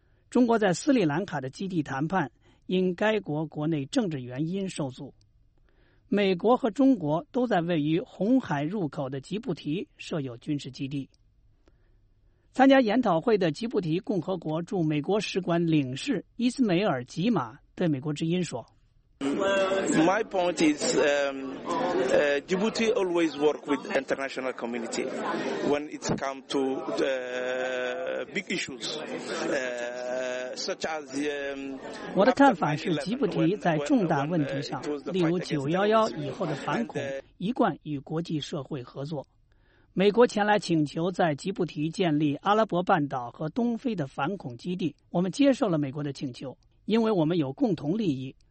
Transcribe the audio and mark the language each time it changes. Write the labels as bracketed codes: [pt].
[zh] 中国在斯里兰卡的基地谈判因该国国内政治原因受阻。美国和中国都在位于红海入口的吉布提设有军事基地。参加研讨会的吉布提共和国驻美国使馆领事伊斯梅尔·吉马对美国之音说， [en] My point is, Djibouti always work with international community when it's come to the big issues, such as. [zh] 我的看法是，吉布提在重大问题上，例如911以后的反恐，一贯与国际社会合作。美国前来请求在吉布提建立阿拉伯半岛和东非的反恐基地，我们接受了美国的请求，因为我们有共同利益。